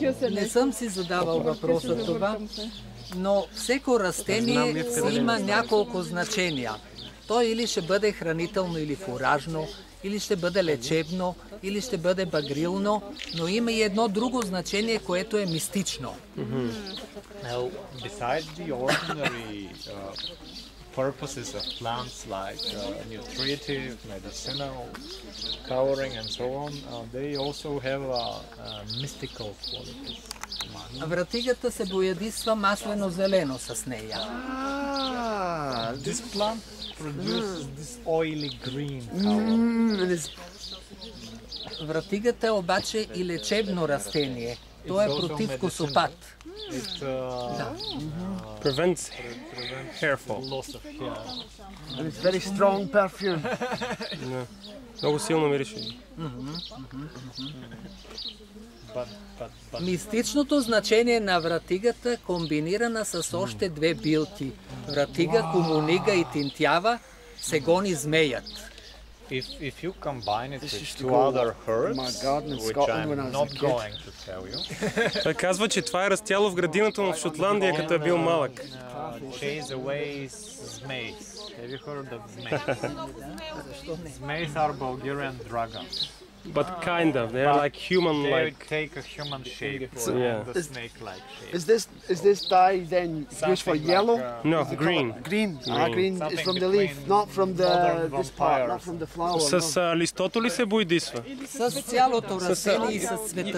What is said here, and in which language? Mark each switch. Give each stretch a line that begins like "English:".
Bulgarian: Не съм си задавал въпроса това, но всеко растение има няколко значения. Той или ще бъде хранително или фуражно, или ще бъде лечебно, или ще бъде багрилно, но има и едно друго значение, което е мистично.
English: Besides the ordinary purposes of plants like nutritive, medicinal, coloring and so on, they also have a mystical quality.
Bulgarian: Вратигата се боядисва маслено-зелено с нея.
English: This plant produces this oily green color.
Bulgarian: Вратигата обаче и лечебно растение. То е против косопад.
English: Prevents hair fall. Loss of hair. And it's very strong perfume.
Bulgarian: Много силно мирише.
English: But.
Bulgarian: Мистичното значение на вратигата, комбинирана с още две билки. Вратига, комунига и тинтява, се гони змеят.
English: If you combine it with two other herbs, which I'm not going to tell you.
Bulgarian: Той казва, че това е растяло в градината на Шотландия, като е бил малък.
English: Chase away змеят. Have you heard of змеят? Змеят are Bulgarian dragons. But kind of, they're like human-like. They take a human shape, or yeah. The snake-like shape. Is this dye then something used for yellow? Like, no, green. Green. Green. Green is from the leaf, not from the this part, not from the flower.
Bulgarian: С листото ли се боядисва? С цялото растение и с цвета.